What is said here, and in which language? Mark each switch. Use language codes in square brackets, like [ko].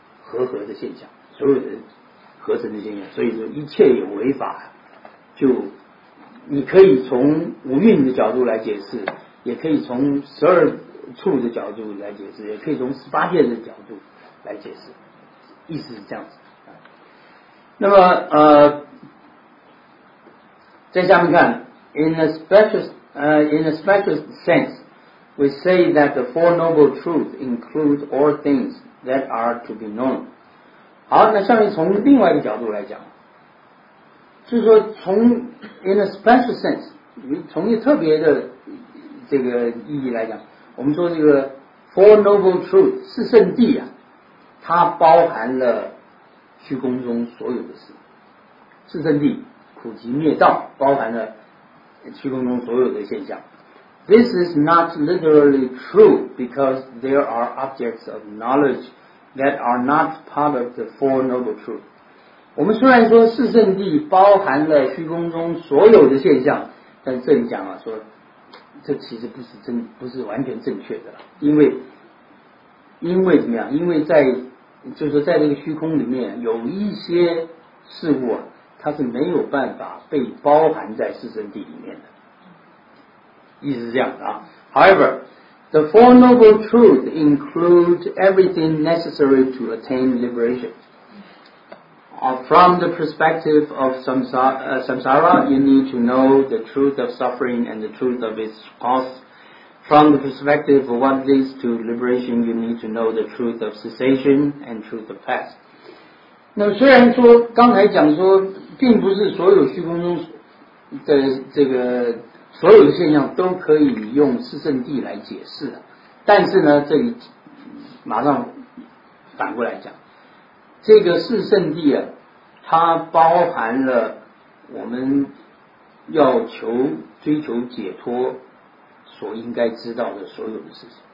[zh] 合的现象，所有的合成的现象，所以说一切有违法，就你可以从五蕴的角度来解释，也可以从十二处的角度来解释，也可以从十八界的角度来解释，意思是这样子。那么再下面看 [en] ，in a special sense, we say that the four noble truths include all things. That are to be known. [zh] 好，那下面从另外一个角度来讲，就是说从 [en] in a special sense， [zh] 从一个特别的这个意义来讲，我们说这个 Four Noble Truths 四圣谛啊，它包含了虚空中所有的事。四圣谛苦集灭道包含了虚空中所有的现象。 [en] This is not literally true because there are objects of knowledge that are not part of the Four Noble Truths. [zh] 我们虽然说四圣谛包含了虚空中所有的现象，但这里讲啊，说这其实不是完全正确的，因为怎么样？因为在就是说在这个虚空里面有一些事物啊，它是没有办法被包含在四圣谛里面的。意思是这样的啊。 [en] However, the Four Noble Truths include everything necessary to attain liberation. From the perspective of samsara, you need to know the truth of suffering and the truth of its cause. From the perspective of what leads to liberation, you need to know the truth of cessation and truth of past. [zh] 那虽然说刚才讲说并不是所有虚空中的这个所有的现象都可以用四圣谛来解释的，但是呢，这里马上反过来讲，这个四圣地啊，它包含了我们要求追求解脱所应该知道的所有的事情。